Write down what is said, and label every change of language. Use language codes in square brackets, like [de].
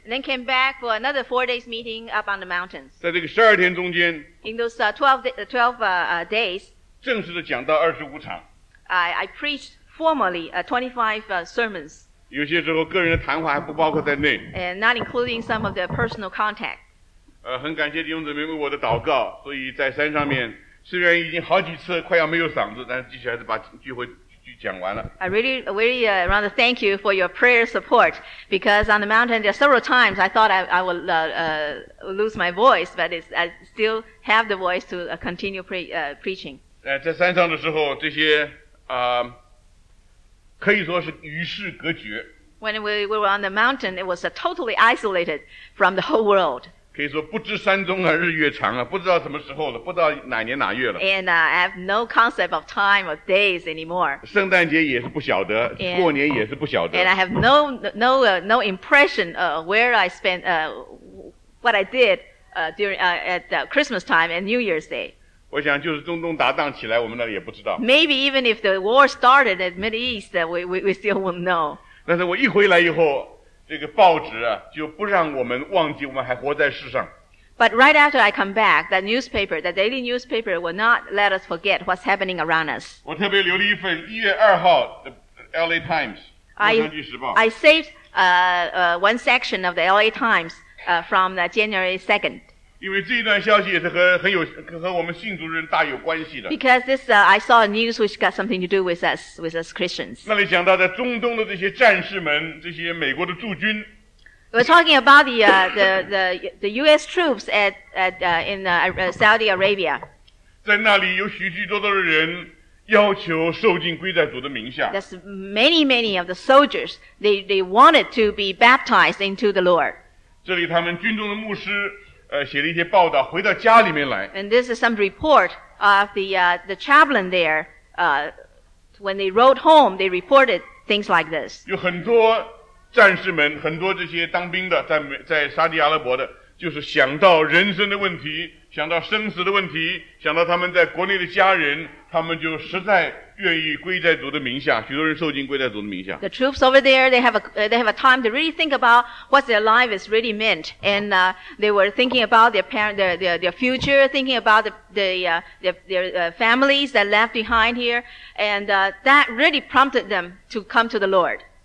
[en] And then came back for another 4 days meeting up on the mountains. [zh] 在这个12天中间。 [en] In those 12 days. [zh] 正式的讲到25场。 [en] I preached formally 25 sermons. [zh] 有些时候个人的谈话还不包括在内。 [en] And not including some of the personal contact. [zh] 很感谢弟兄姊妹为我的祷告，所以在山上面虽然已经好几次快要没有嗓子，但是继续还是把聚会。 [en] I really want to thank you for your prayer support because on the mountain there are several times I thought I would lose my voice but I still have the voice to continue preaching. [zh] 在山上的时候这些可以说是与世隔绝。 [en] When we were on the mountain it was totally isolated from the whole world. [zh] 可以说不知山中啊日月长啊不知道什么时候了不知道哪年哪月了。 [en] And I have no concept of time or days anymore. [zh] 圣诞节也是不晓得 and, 过年也是不晓得。 [en] And I have no impression of where I spent, what I did, during, at Christmas time and New Year's Day. [zh] 我想就是中东打仗起来我们那里也不知道。 [en] Maybe even if the war started at Middle East, we still won't know. [zh] 但是我一回来以后这个报纸啊，就不让我们忘记我们还活在世上。 [en] But right after I come back, that newspaper, that daily newspaper, will not let us forget what's happening around us. [zh] 我特别留了一份1月2号的 LA Times 洛杉矶时报。 [en] I saved one section of the LA Times from the January 2nd. [zh] 因为这一段消息也是和我们信主人大有关系的。 [en] Because this, I saw a news which got something to do with us Christians. [zh] 那里讲到在中东的这些战士们，这些美国的驻军。 [en] We're talking about the U.S. troops in Saudi Arabia. [zh] 在那里有许许多多的人要求受浸归在主的名下。 [en] That's many of the soldiers. They wanted to be baptized into the Lord. [zh] 这里他们军中的牧师。写了一些报道回到家里面来。 [en] And this is some report of the chaplain there, when they wrote home, they reported things like this. [zh] 有很多战士们，很多这些当兵的，在沙地阿拉伯的，就是想到人生的问题，想到生死的问题，想到他们在国内的家人，他们就实在愿意归在主的名下，许多人受浸归在主的名下。 [en] The troops over there, they have a time to really think about what their life is really meant, and they were thinking about their future, thinking about their families that left behind here, and that really prompted them to come to the Lord.